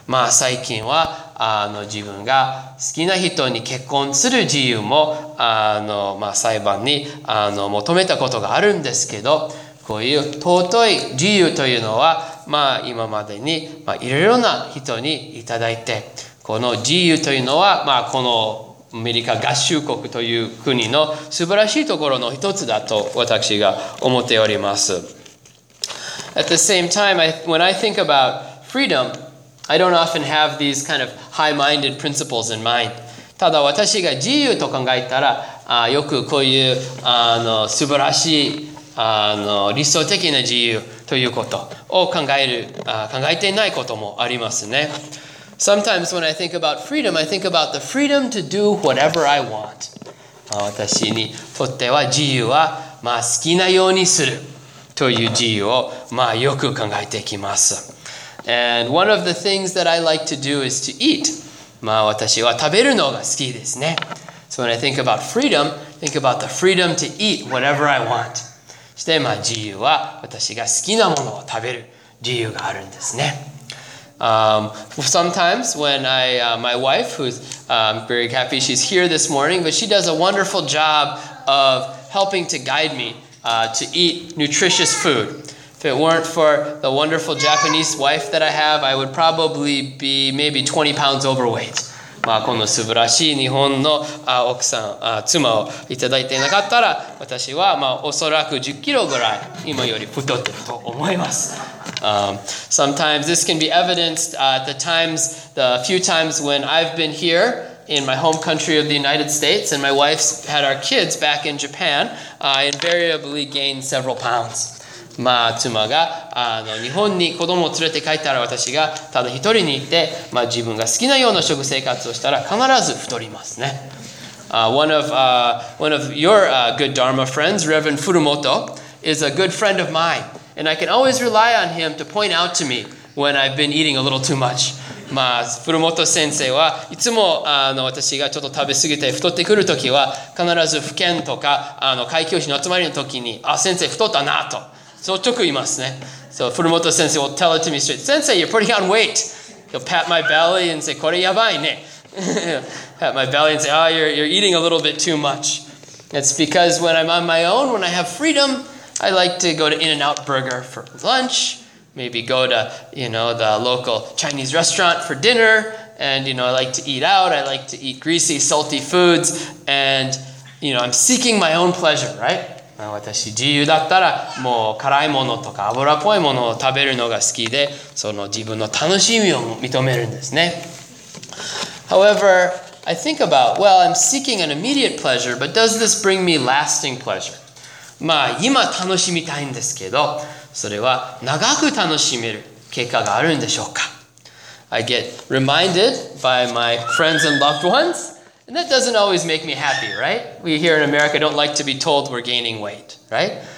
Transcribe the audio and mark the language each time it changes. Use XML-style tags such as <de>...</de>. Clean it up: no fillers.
<ja>最近は自分が好きな人に結婚する自由も裁判に求めたことがあるんですけど、こういう尊い自由というのは今までにいろいろな人にいただいて、この自由というのはこのアメリカ合衆国という国の素晴らしいところの一つだと私が思っております。</ja> <en>At the same time, when I think about freedomI don't often have these kind of high-minded principles in mind.</en> <ja>ただ私が自由と考えたら、よくこういう素晴らしい理想的な自由ということを考えていないこともありますね。</ja> <en>Sometimes when I think about freedom, I think about the freedom to do whatever I want.</en> <ja>私にとっては自由は好きなようにするという自由をよく考えてきます。</ja> <en>And one of the things that I like to do is to eat.</en> <ja>私は食べるのが好きですね。</ja> <en>So when I think about freedom, think about the freedom to eat whatever I want.</en> <ja>そして自由は私が好きなものを食べる自由があるんですね。</ja> <en>Sometimes when I, my wife, who's very happy she's here this morning, but she does a wonderful job of helping to guide me to eat nutritious food. If it weren't for the wonderful Japanese wife that I have, I would probably be maybe 20 pounds overweight.</en> <ja>まあ、この素晴らしい日本の奥さん、妻をいただいていなかったら、私はまあおそらく10キロぐらい今より太ってると思います。</ja> <en>Sometimes this can be evidenced at the few times when I've been here in my home country of the United States and my wife's had our kids back in Japan, I invariably gained several pounds.</en> <ja>まあ、妻が日本に子供を連れて帰ったら私がただ一人に行って、まあ、自分が好きなような食生活をしたら必ず太りますね。</ja> <en>One of your good Dharma friends, Reverend Furumoto, is a good friend of mine. And I can always rely on him to point out to me when I've been eating a little too much.</en> <ja>まあ、Furumoto 先生はいつも私がちょっと食べ過ぎて太ってくるときは必ず府県とか会教師の集まりのときに、あ、先生太ったなと。</ja> <en>So Furumoto sensei will tell it to me straight. Sensei, you're putting on weight. He'll pat my belly and say,</en> <ja>"Kore yabai ne."</ja> <en>Pat my belly and say, "Oh, you're eating a little bit too much." It's because when I'm on my own, when I have freedom, I like to go to In-N-Out Burger for lunch. Maybe go to the local Chinese restaurant for dinner. And I like to eat out. I like to eat greasy, salty foods. And I'm seeking my own pleasure, right?</en> <ja>私自由だったらもう辛いものとか脂っぽいものを食べるのが好きで、その自分の楽しみを認めるんですね。</ja> <en>However, I think about, well, I'm seeking an immediate pleasure, but does this bring me lasting pleasure?</en> <ja>まあ今楽しみたいんですけど、それは長く楽しめる結果があるんでしょうか?</ja> <en>I get reminded by my friends and loved ones. And that doesn't always make me happy, right? We here in America don't like to be told we're gaining weight, right?</en>